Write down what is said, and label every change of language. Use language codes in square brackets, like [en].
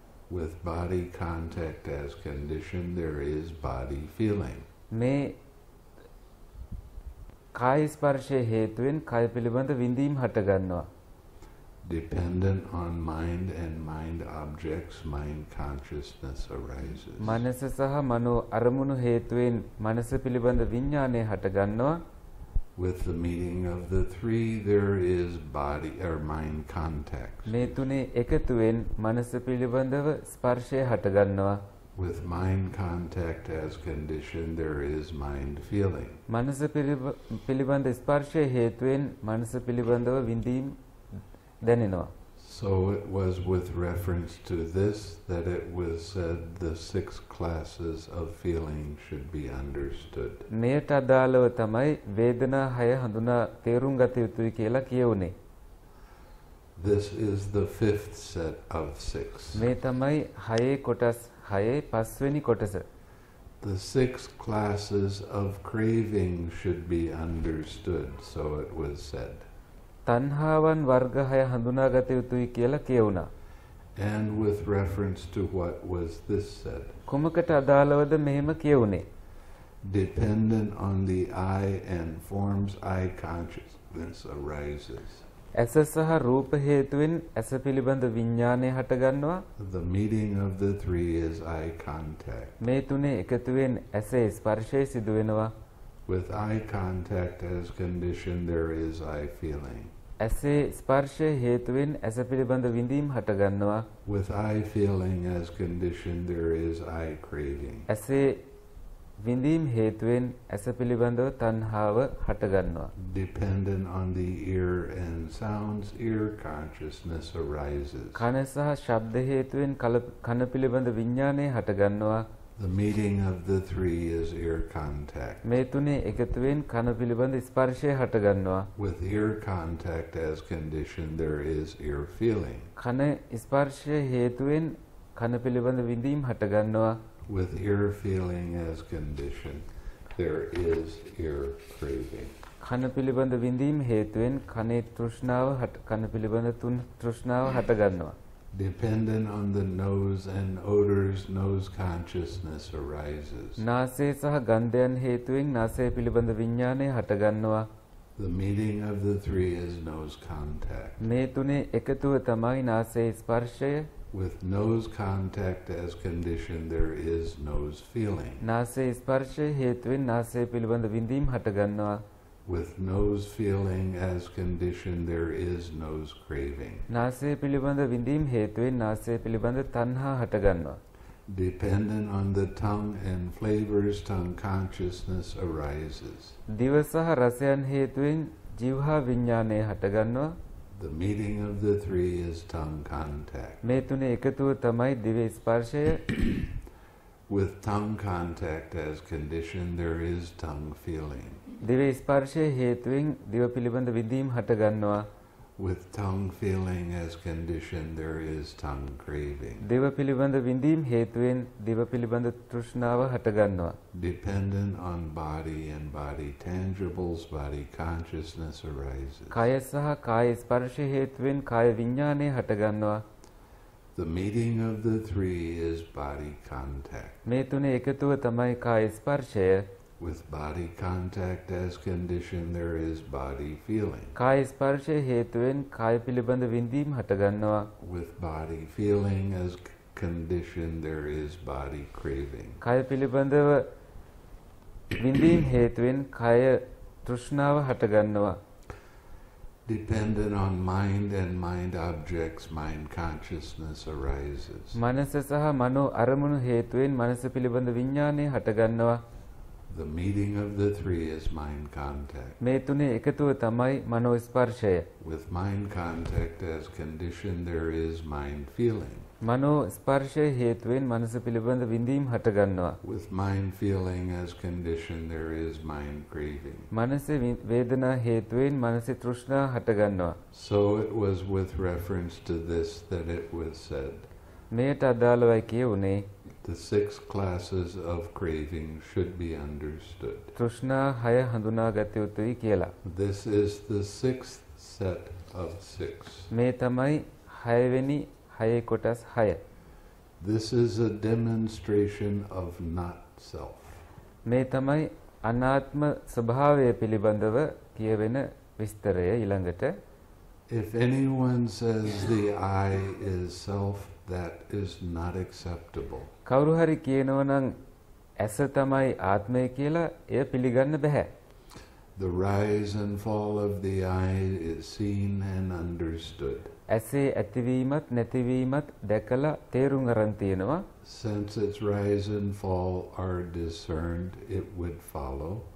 [en] With body contact as condition, there is body feeling. [si] මේ කාය ස්පර්ශය හේතුවෙන් කය පිළිබඳ විඳීම් හටගන්නවා. [en] Dependent on mind and mind objects, mind consciousness arises. [si] මනස සහ මනෝ අරමුණු හේතුවෙන් මනස පිළිබඳ විඥානය හටගන්නවා. [en] With the meeting of the three, there is body or mind contact. [si] මේ තුනේ එකතුවෙන් මනස පිළිබඳව ස්පර්ශය හටගන්නවා. [en] With mind contact as condition, there is mind feeling. [si] මනස පිළිබඳ ස්පර්ශය හේතුවෙන් මනස පිළිබඳව විඳීම් දැනෙනවා. [en] So it was with reference to this that it was said the six classes of feeling should be understood. [si] මෙයට අදාළව තමයි වේදනා හය හඳුනා තේරුම් ගත යුතුයි කියලා කියවුනේ. [en] This is the fifth set of six. [si] මේ තමයි හයේ කොටස් හයේ පස්වෙනි කොටස. [en] The six classes of craving should be understood, so it was said. [si] තණ්හාවන් වර්ග 6 හඳුනා ගත යුතුයි කියලා කියුණා. [en] And with reference to what was this said? [si] කුමකට අදාළවද මෙහෙම කියුනේ? [en] Dependent on the eye and forms eye consciousness arises. [si] ඇස සහ රූප හේතුවෙන් ඇස පිළිබඳ විඥානය හටගන්නවා. [en] The meeting of the three is eye contact. [si] මේ තුනේ එකතුවෙන් ඇසේ ස්පර්ශය සිදු වෙනවා. [en] With eye contact as condition, there is eye feeling. [si] ඇස ස්පර්ශය හේතුවෙන් ඇස පිළිබඳ විඳීම් හටගන්නවා. [en] With eye feeling as condition, there is eye craving. [si] ඇස විඳීම් හේතුවෙන් ඇස පිළිබඳව තණ්හාව හටගන්නවා. [en] Dependent on the ear and sounds, ear consciousness arises. [si] කන සහ ශබ්ද හේතුවෙන් කන පිළිබඳ විඥානය හටගන්නවා. [en] The meeting of the three is ear contact. [si] මේ තුනේ එකතුවෙන් කන පිළිබඳ ස්පර්ශය හටගන්නවා. [en] With ear contact as condition, there is ear feeling. [si] කන ස්පර්ශය හේතුවෙන් කන පිළිබඳ විඳීම් හටගන්නවා. [en] With ear feeling as condition, there is ear craving. [si] කන පිළිබඳ විඳීම් හේතුවෙන් කනේ තෘෂ්ණාව කන පිළිබඳ තෘෂ්ණාව හටගන්නවා. [en] Dependent on the nose and odors, nose consciousness arises. [si] නාසය සහ ගන්ධයන් හේතුවෙන් නාසය පිළිබඳ විඥානය හටගන්නවා. [en] The meeting of the three is nose contact. [si] මේ තුනේ එකතුව තමයි නාසයේ ස්පර්ශය. [en] With nose contact as condition, there is nose feeling. [si] නාසයේ ස්පර්ශය හේතුවෙන් නාසය පිළිබඳ විඳීම් හටගන්නවා. [en] With nose feeling as condition, there is nose craving. [si] නාසය පිළිබඳ විඳීම් හේතුවෙන් නාසය පිළිබඳ තණ්හා හටගන්නවා. [en] Dependent on the tongue and flavors, tongue consciousness arises. [si] දිව සහ රසයන් හේතුවෙන් ජීවහා විඥානය හටගන්නවා. [en] The meeting of the three is tongue contact. [si] මේ තුනේ එකතුව තමයි දිව ස්පර්ශය. [en] With tongue contact as condition, there is tongue feeling. [si] දිව ස්පර්ශය හේතුවෙන් දිව පිළිබඳ විඳීම් හටගන්නවා. [en] With tongue feeling as condition, there is tongue craving. [si] දිව පිළිබඳ විඳීම් හේතුවෙන් දිව පිළිබඳ තෘෂ්ණාව හටගන්නවා. [en] Dependent on body and body tangibles, body consciousness arises. [si] කය සහ කාය ස්පර්ශය හේතුවෙන් කාය විඥානය හටගන්නවා. [en] The meeting of the three is body contact. [si] මේ තුනේ එකතුව තමයි කාය ස්පර්ශය. [en] With body contact as condition, there is body feeling. [si] කාය ස්පර්ශය හේතුවෙන් කාය පිළිබඳ විඳීම් හටගන්නවා. [en] With body feeling as condition, there is body craving. [si] කාය පිළිබඳව විඳීම් හේතුවෙන් කාය තෘෂ්ණාව හටගන්නවා. [en] Dependent on mind and mind objects, mind consciousness arises. [si] මනස සහ මනෝ අරමුණු හේතුවෙන් මනස පිළිබඳ විඥානය හටගන්නවා. [en] The meeting of the three is mind contact. [si] මේ තුනේ එකතුව තමයි මනෝ ස්පර්ශය. [en] With mind contact as condition, there is mind feeling. [si] මනෝ ස්පර්ශය හේතුවෙන් මනස පිළිබඳ විඳීම් හටගන්නවා. [en] With mind feeling as condition, there is mind craving. [si] මනසේ වේදනා හේතුවෙන් මනසේ තෘෂ්ණා හටගන්නවා. [en] So it was with reference to this that it was said. [si] මෙයට අදාළවයි කියුනේ. [en] The six classes of craving should be understood. [si] තෘෂ්ණා හය හඳුනා ගත යුතුයි කියලා. [en] This is the sixth set of six. [si] මේ තමයි හයවෙනි හයේ කොටස් හය. [en] This is a demonstration of not self. [si] මේ තමයි අනාත්ම ස්වභාවය පිළිබඳව කියවෙන විස්තරය ඊළඟට. [en] If anyone says the I is self, that is not acceptable. [si] කවුරු හරි කියනවා නම් ඇස තමයි ආත්මය කියලා එය පිළිගන්න බෑ. [en] The rise and fall of the eye is seen and understood. [si] ඇසේ ඇතිවීමත් නැතිවීමත් දැකලා තේරුම් ගන්න තියෙනවා. [en] Since its rise and fall are discerned, it would follow.